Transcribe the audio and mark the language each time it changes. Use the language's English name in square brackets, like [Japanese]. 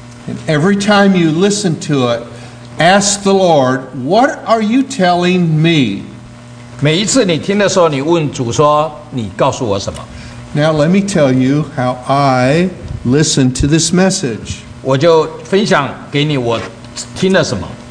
[English] And every time you listen to it, ask the Lord, what are you telling me? [Chinese] 每一次你听的时候，你问主说，你告诉我什么？ [English] Now let me tell you how I listen to this message. [Chinese] 我就分享给你我听了什么。